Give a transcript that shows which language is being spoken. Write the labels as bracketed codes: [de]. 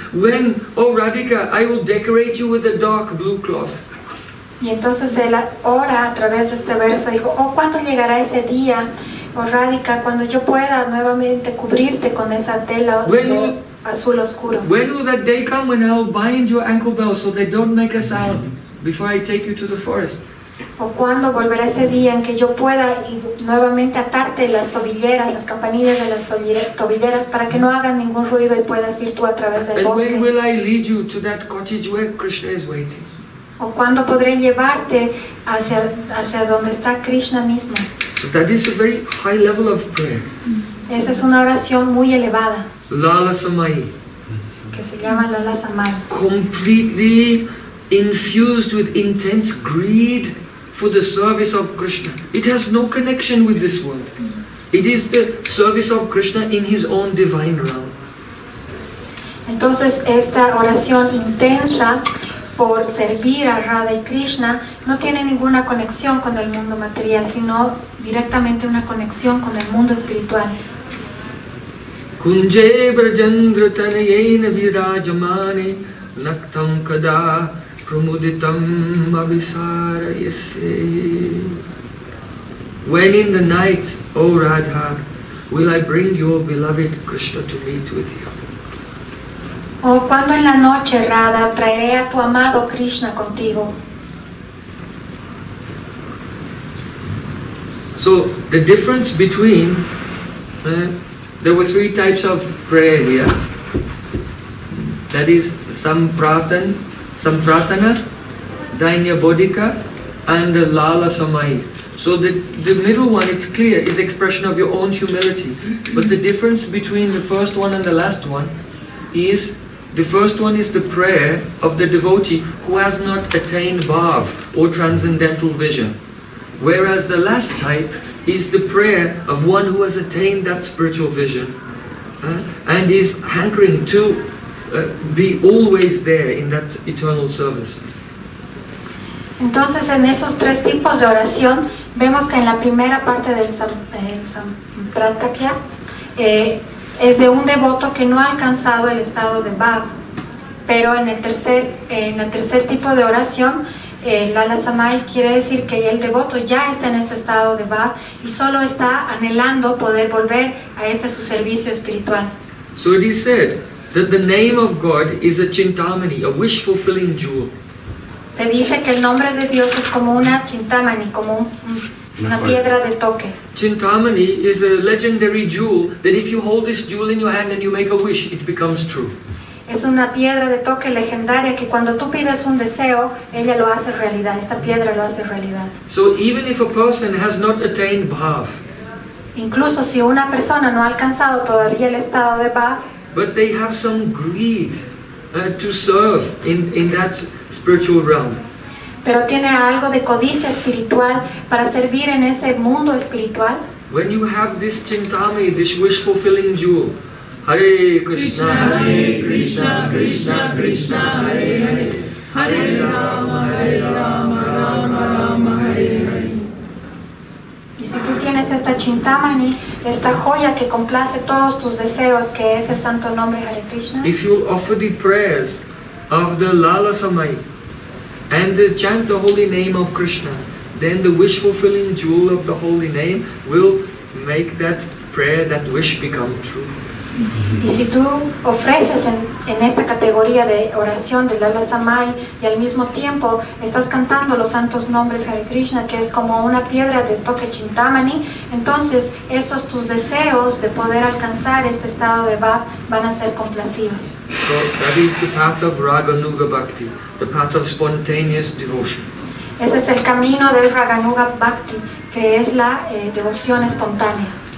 [en] When, oh Radhika, I will decorate you with a dark blue cloth. [es] Y entonces él ora a través de este verso, dijo, oh, ¿cuándo llegará ese día, oh Radhika, cuando yo pueda nuevamente cubrirte con esa tela azul oscuro? [en] When will that day come when I'll bind your ankle bells so they don't make us out before I take you to the forest? [es] ¿O cuándo volverá ese día en que yo pueda nuevamente atarte las tobilleras, las campanillas de las tobilleras, para que no hagan ningún ruido y puedas ir tú a través del bosque? [en] When will I lead you to that cottage where Krishna is waiting? [es] ¿O cuándo podré llevarte hacia donde está Krishna mismo? [en] So that is a very high level of prayer. [es] Esa es una oración muy elevada. Lala Samayi. Que se llama Lala Samayi. [en] Completely infused with intense greed for the service of Krishna. It has no connection with this world. It is the service of Krishna in his own divine realm. [es] Entonces esta oración intensa por servir a Radha y Krishna no tiene ninguna conexión con el mundo material, sino directamente una conexión con el mundo espiritual. [sa] Kunje brajandra tanayena virajamane naktam kada pramuditam abhisarayase. [en] When in the night, O Radha, will I bring your beloved Krishna to meet with you? [es] O cuando en la noche, Radha, traeré a tu amado Krishna contigo. [en] So the difference between there were three types of prayer here. That is Sampratana, Dainya Bodhika, and Lala Samayi. So the middle one, it's clear, is expression of your own humility. But the difference between the first one and the last one is, the first one is the prayer of the devotee who has not attained bhav or transcendental vision. Whereas the last type is the prayer of one who has attained that spiritual vision and is hankering to be always there in that eternal service. [es] Entonces, en esos tres tipos de oración, vemos que en la primera parte del Sampratakya es de un devoto que no ha alcanzado el estado de bhav, pero en el tercer tipo de oración, Lala Samayi quiere decir que el devoto ya está en este estado de bhav y solo está anhelando poder volver a este su servicio espiritual. [en] So it is said that the name of God is a chintamani, a wish fulfilling jewel. [es] Se dice que el nombre de Dios es como una chintamani, como una piedra de toque. [en] Chintamani is a legendary jewel that if you hold this jewel in your hand and you make a wish, it becomes true. [es] Es una piedra de toque legendaria que cuando tú pides un deseo, ella lo hace realidad. Esta piedra lo hace realidad. [en] So even if a person has not attained bhav, [es] incluso si una persona no ha alcanzado todavía el estado de bhav, [en] but they have some greed to serve in that spiritual realm. [es] Pero tiene algo de codicia espiritual para servir en ese mundo espiritual. [en] When you have this chintami, this wish-fulfilling jewel. [sa] Hare Krishna, Hare Krishna, Krishna Krishna, Krishna Hare Hare, Hare Rama, Rama Rama, Hare Hare. [es] Y si tú tienes esta chintamani, esta joya que complace todos tus deseos, que es el santo nombre Hare Krishna. [en] If you offer the prayers of the Lala Samayi and chant the holy name of Krishna, then the wish fulfilling jewel of the holy name will make that prayer, that wish become true. [es] Y si tú ofreces en esta categoría de oración de Lala Samayi y al mismo tiempo estás cantando los santos nombres Hare Krishna, que es como una piedra de toque chintamani, entonces estos tus deseos de poder alcanzar este estado de bhav van a ser complacidos. [en] So that is the path of Raganuga Bhakti, the path of spontaneous devotion. [es] Ese es el camino del Raganuga Bhakti, que es la devoción espontánea.